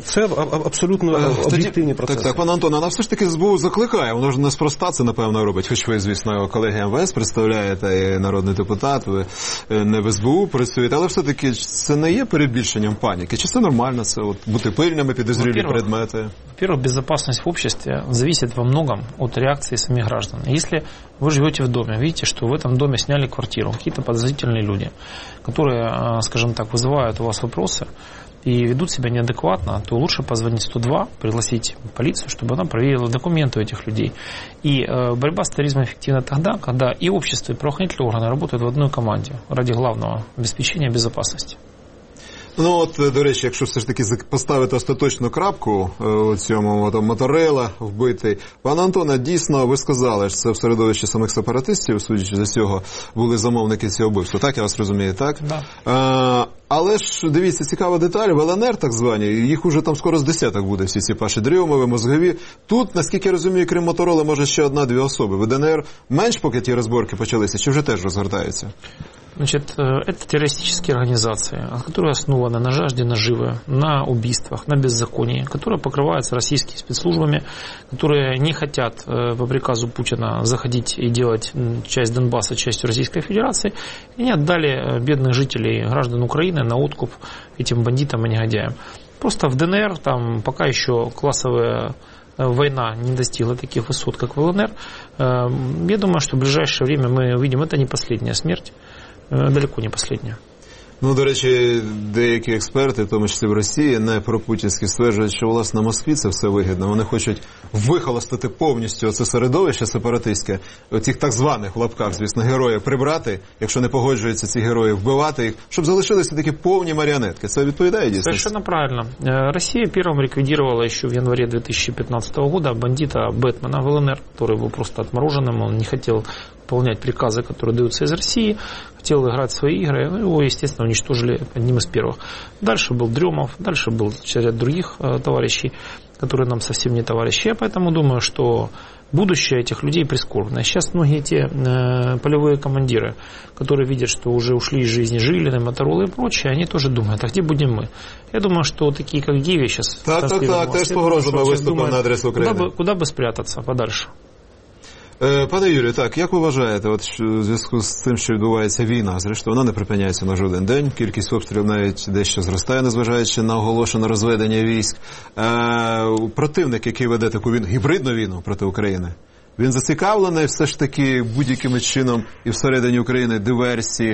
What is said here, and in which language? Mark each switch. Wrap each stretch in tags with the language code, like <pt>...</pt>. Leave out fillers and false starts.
<uk>Це абсолютно об'єктивні процеси. Так, пан Антон, вона все ж таки СБУ закликає, воно ж неспроста це, напевно, робить. Хоч ви, звісно, колеги МВС представляєте, і народний депутат, ви не в СБУ працюєте, але все-таки це не є перебільшенням паніки. Чи це нормально, це от бути пильними, підозрілі предмети?</uk> <ru>Во-первых, безопасность в обществе зависит во многом от реакции самих граждан. Если вы живете в доме, видите, что в этом доме сняли квартиру, какие-то подозрительные люди, которые, скажем так, вызывают у вас вопросы, и ведут себя неадекватно, то лучше позвонить 102, пригласить полицию, чтобы она проверила документы у этих людей. И борьба с терроризмом эффективна тогда, когда и общество, и правоохранительные органы работают в одной команде ради главного обеспечения безопасности.</ru> <uk>Ну от, до речі, якщо все ж таки поставити остаточну крапку у цьому там, Моторила вбитий. Пане Антоне, дійсно, ви сказали, що це в середовищі самих сепаратистів, судячи з усього, були замовники цього вбивства. Так, я вас розумію, так?</uk> <ru>Да.</ru> <uk>Але ж, дивіться, цікава деталь, в ЛНР так звані, їх уже там скоро з десяток буде, всі ці Паші Дрьомови, Мозгові. Тут, наскільки я розумію, крім Моторила, може ще одна-дві особи. В ДНР менш поки ті розборки почалися, чи вже теж розгортаються?</uk> <ru>Значит, это террористические организации, которые основаны на жажде наживы, на убийствах, на беззаконии, которые покрываются российскими спецслужбами, которые не хотят по приказу Путина заходить и делать часть Донбасса частью Российской Федерации, и не отдали бедных жителей, граждан Украины на откуп этим бандитам и негодяям. Просто в ДНР там пока еще классовая война не достигла таких высот, как в ЛНР. Я думаю, что в ближайшее время мы увидим, это не последняя смерть.</ru> <uk>Далеко не последнє. Ну, до речі, деякі експерти, в тому числі в Росії, не пропутінські, стверджують, що, власне, Москві це все вигідно. Вони хочуть вихолостити повністю це середовище сепаратистське, оцих так званих, в лапках, звісно, героїв, прибрати, якщо не погоджуються ці герої, вбивати їх, щоб залишилися такі повні маріонетки. Це відповідає дійсно?</uk> <ru>Совершенно правильно.</ru> <uk>Росія першим ліквідувала ще в январі 2015 року бандита Бетмена в ЛНР, який був просто відмороженим, він не хотів</uk> <ru>выполнять приказы, которые даются из России, хотел играть в свои игры, ну, его, естественно, уничтожили одним из первых. Дальше был Дрёмов, дальше был ряд других товарищей, которые нам совсем не товарищи. Я поэтому думаю, что будущее этих людей прискорбное. Сейчас многие те полевые командиры, которые видят, что уже ушли из жизни Жилины, Моторолы и прочее, они тоже думают, а где будем мы? Я думаю, что такие, как Гиви сейчас... Так, ты же погрозно выступил на адрес Украины. Куда бы спрятаться подальше?</ru> <uk>Пане Юрію, так, як ви вважаєте, от, що, в зв'язку з тим, що відбувається війна, зрештою, вона не припиняється на жоден день, кількість обстрілів навіть дещо зростає, незважаючи на оголошене розведення військ. Противник, який веде таку війну, гібридну війну проти України, він зацікавлений все ж таки будь-яким чином і всередині України диверсії.</uk>